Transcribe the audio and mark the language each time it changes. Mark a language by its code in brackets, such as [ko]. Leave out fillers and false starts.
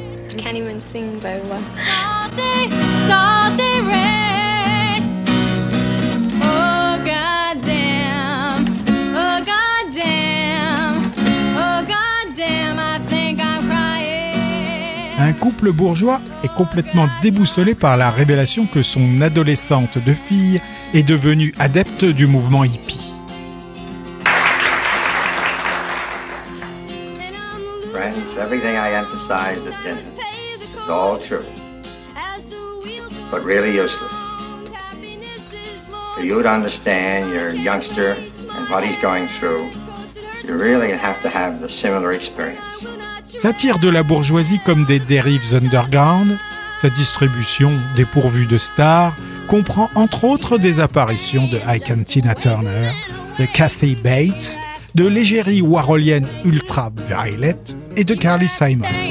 [en] I can't even sing very well. Salty red. Oh, God damn. Oh, God damn. Oh, God damn, I think I'm crying. [fr] Un couple bourgeois est complètement déboussolé par la révélation que son adolescente de fille est devenue adepte du mouvement hippie. [en] Friends, everything I emphasize is in it. It's all true. But really useless. For you to understand your youngster and what he's going through, you really have to have the similar experience. [fr] Satire de la bourgeoisie comme des dérives underground, sa distribution dépourvue de stars comprend entre autres des apparitions de Ike and Tina Turner, de Kathy Bates, de l'égérie warholienne Ultra Violet et de Carly Simon.